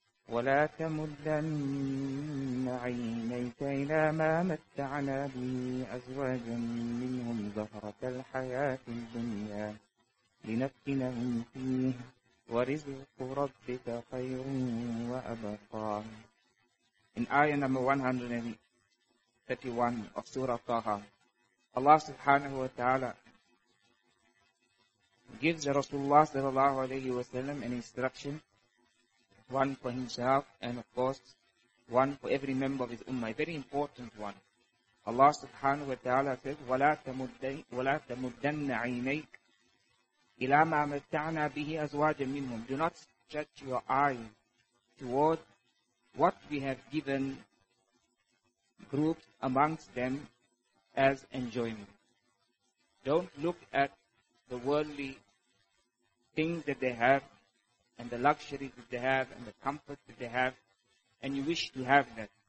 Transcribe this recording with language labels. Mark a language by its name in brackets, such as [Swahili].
[Arabic] ولا تمدن عينيك إلى ما متعنا به أزواجا منهم زهرة الحياة الدنيا لنفتنهم فيه ورزق ربك خير وأبقى. [English] In ayah number 131 of Surah Taha, Allah subhanahu wa ta'ala gives Rasulullah sallallahu alayhi wa sallam an instruction, one for himself and of course one for every member of his ummah, a very important one. [Arabic] Allah subhanahu wa ta'ala says, وَلَا تَمُدَّنَّ عَيْنَيْكَ إِلَى مَا مَتَّعْنَا بِهِ أَزْوَاجًا مِنْهُمْ. [English] Do not stretch your eye towards what we have given groups amongst them as enjoyment. Don't look at the worldly things that they have and the luxuries that they have and the comfort that they have and you wish to have that.